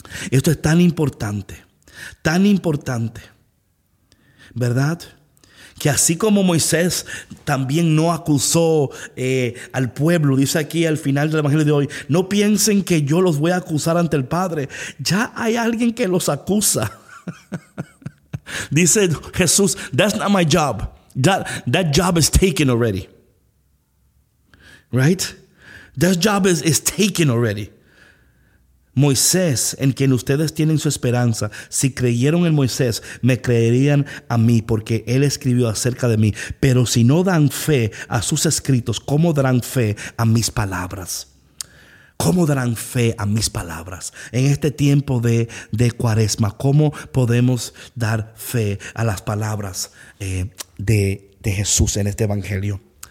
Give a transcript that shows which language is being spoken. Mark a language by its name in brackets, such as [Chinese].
[Spanish] Esto es tan importante. Tan importante, ¿verdad? Que así como Moisés también no acusó al pueblo, dice aquí al final del evangelio de hoy, no piensen que yo los voy a acusar ante el Padre. Ya hay alguien que los acusa. [English] Dice Jesús, that's not my job. That job is taken already. Right? That job is taken already. [Spanish] Moisés, en quien ustedes tienen su esperanza, si creyeron en Moisés, me creerían a mí porque él escribió acerca de mí. Pero si no dan fe a sus escritos, ¿cómo darán fe a mis palabras? ¿Cómo darán fe a mis palabras? En este tiempo de cuaresma, ¿cómo podemos dar fe a las palabras de Jesús en este evangelio?